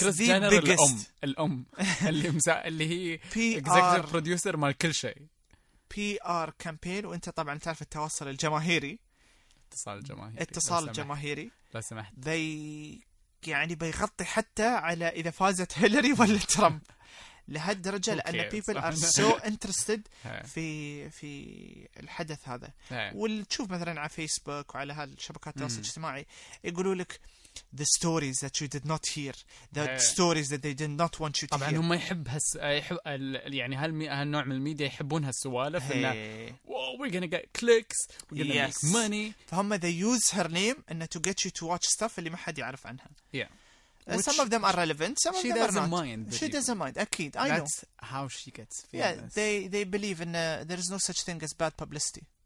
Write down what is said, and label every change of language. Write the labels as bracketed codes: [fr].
[ar] كريس جينر الأم اللي اللي هي executive producer مال كل شيء. PR campaign وأنت طبعًا تعرف التواصل الجماهيري. اتصال الجماهيري. اتصال الجماهيري. لا سمحت. ذي يعني بيغطي حتى على إذا فازت هيلاري ولا ترامب. لهالدرجة لأن [en] people are so interested [ar] في الحدث هذا وتشوف مثلاً على فيسبوك وعلى هالشبكات التواصل الاجتماعي يقولوا لك [en] the stories that you did not hear the stories that they did not want you to [ar] طبعاً هم يحب يحب يعني هالنوع من الميديا يحبون هالسوالف إنه [en] we're gonna get clicks we're gonna make money [ar] فهم [en] they use her name [ar] إنه [en] to get you to watch stuff [ar] اللي ما حد يعرف عنها [en] Which some of them are relevant. Some of them are not. She doesn't mind. She doesn't mind. [ar] أكيد. [en] I That's know. How she gets famous. Yeah, they believe in there is no such thing as bad publicity.